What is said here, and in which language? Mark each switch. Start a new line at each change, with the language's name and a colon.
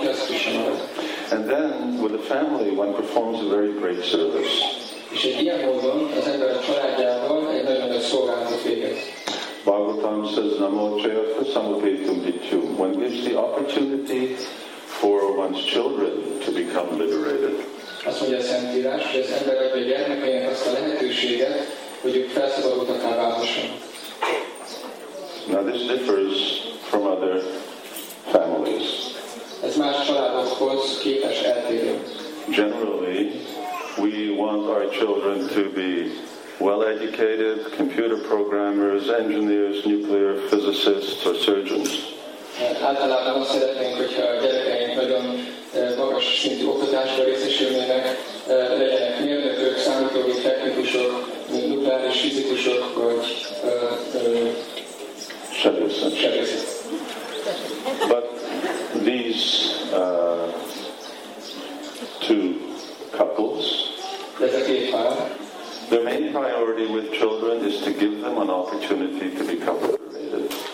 English: And then, with the family, one performs a very great service. Bhagavatam says, Namo Chayatva Samapetum Dityum. One gives the opportunity for one's children to become liberated.
Hungarian: Azt mondja a Szentírás, hogy az ember adja a gyermekeinek azt a lehetőséget, hogy ők felszabadultakká válhassanak.
English: Now this differs from other families.
Hungarian: Ez más családokhoz képes eltérő.
English: Generally, we want our children to be well-educated, computer programmers, engineers, nuclear physicists, or surgeons.
Hungarian: Általában azt szeretnénk, hogyha a gyerekeink nagyon magas szintű oktatásra részesülnének, legyenek mérnökök, számítógép technikusok, nukleáris fizikusok, vagy sebészek.
English: But these two couples, their main priority with children is to give them an opportunity to become liberated.